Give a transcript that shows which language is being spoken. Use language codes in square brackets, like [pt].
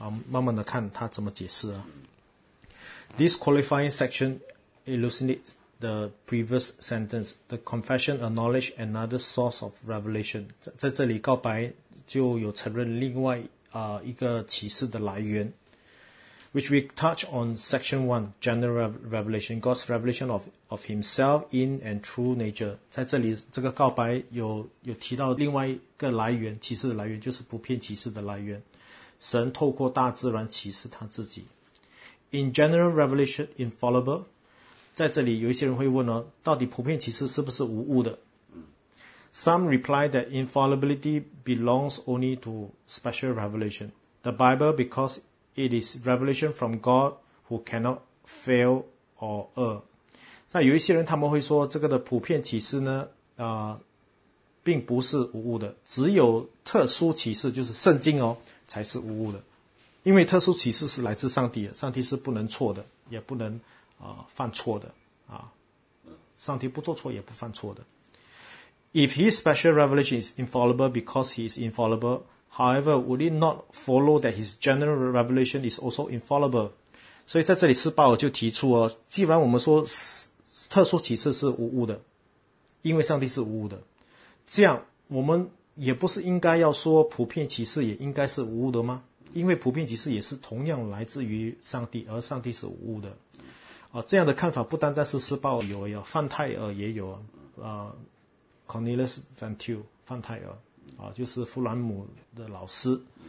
[zh] 慢慢的看他怎么解释 [en] This qualifying section elucidates the previous sentence. The confession acknowledges another source of revelation. [zh] 在这里告白就有承认另外一个启示的来源。 [en] Which we touch on section 1, general revelation, God's revelation of himself in and through nature. [zh] 在这里这个告白有提到另外一个来源，启示的来源就是普遍启示的来源。神透过大自然启示他自己。 [en] In general revelation infallible, [zh] 在这里有一些人会问到底普遍启示是不是无误的？ [en] Some reply that infallibility belongs only to special revelation. The Bible, becauseIt is revelation from God who cannot fail or err. [zh] 那有一些人他们会说这个的普遍启示呢并不是无误的，只有特殊启示就是圣经才是无误的。因为特殊启示是来自上帝的，上帝是不能错的，也不能犯错的上帝不做错也不犯错的。 [en] If his special revelation is infallible because he is infallible,However, would it not follow that his general revelation is also infallible? [zh] 所以在这里斯巴尔就提出既然我们说特殊启示是无误的，因为上帝是无误的，这样我们也不是应该要说普遍启示也应该是无误的吗？因为普遍启示也是同样来自于上帝，而上帝是无误的这样的看法不单单是斯巴尔有，范泰尔也有Cornelius Van Til 范泰尔就是弗兰姆的老师